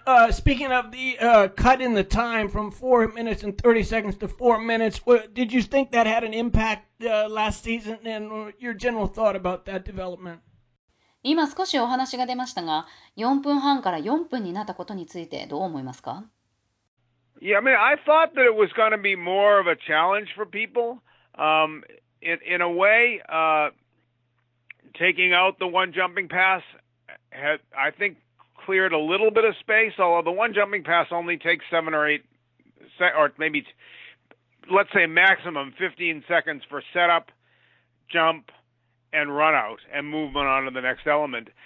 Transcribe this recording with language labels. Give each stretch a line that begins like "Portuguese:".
English: Speaking of the cut in the time from 4 minutes and 30 seconds to 4 minutes, did you think that had an impact last season and your general thought about that development?
Japanese: 今少しお話が出ましたが、4分半から4分になったことについてどう思いますか？
English: Yeah, I mean, I thought that it was going to be more of a challenge for people. In a way, taking out the one jumping pass had, I think, cleared a little bit of space, although the one jumping pass only takes 7 or 8, or maybe, let's say, maximum 15 seconds for setup, jump, and run out, and movement on to the next element.